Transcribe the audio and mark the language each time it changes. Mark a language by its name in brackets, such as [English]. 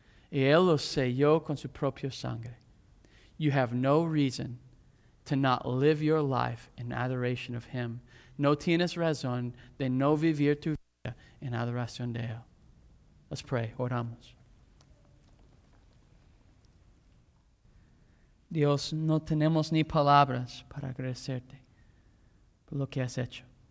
[Spanish] Y él lo selló con su propia sangre. [English] You have no reason to not live your life in adoration of him. [Spanish] No tienes razón de no vivir tu vida en adoración de él. [English] Let's pray. [Spanish] Oramos. Dios, no tenemos ni palabras para agradecerte por lo que has hecho.